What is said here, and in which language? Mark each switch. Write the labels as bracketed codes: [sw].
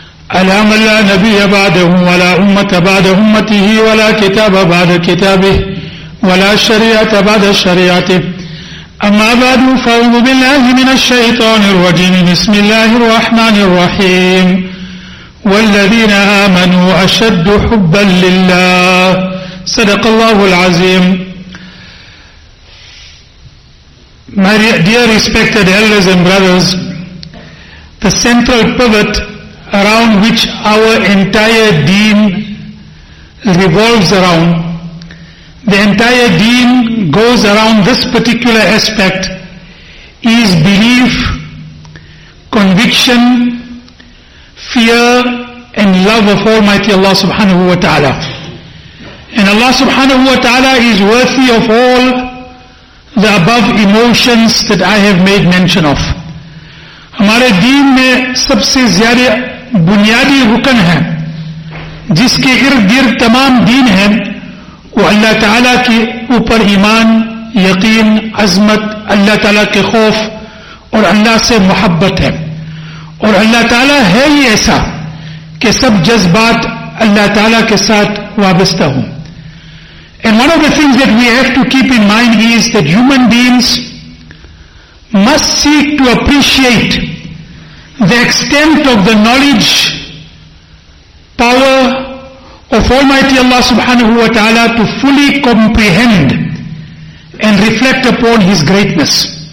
[ar] Ala man la nabiyya ba'dahu wa la ummata ba'da ummatihi wa la kitaba ba'da kitabihi wa la shari'ata ba'da shari'atihi. أما بعد فأعوذ بالله من الشيطان الرجيم بسم الله الرحمن الرحيم والذين آمنوا أشد حبا لله صدق الله العظيم. [en] My dear respected elders and brothers, the central pivot around which our entire deen revolves around, the entire deen goes around this particular aspect, is belief, conviction, fear and love of Almighty Allah subhanahu wa ta'ala. And Allah subhanahu wa ta'ala is worthy of all the above emotions that I have made mention of. [ur] Hamare deen mein sabse zyada bunyadi rukn hai, jiske ird gird tamam deen hai, وہ اللہ تعالیٰ کے اوپر ایمان، یقین، عظمت، اللہ تعالیٰ کے خوف اور اللہ سے محبت ہے. اور اللہ تعالیٰ ہے ہی ایسا کہ سب جذبات اللہ تعالیٰ کے ساتھ وابستہ ہوں. [en] And one of the things that we have to keep in mind is that human beings must seek to appreciate the extent of the knowledge, power of Almighty Allah subhanahu wa ta'ala to fully comprehend and reflect upon His greatness.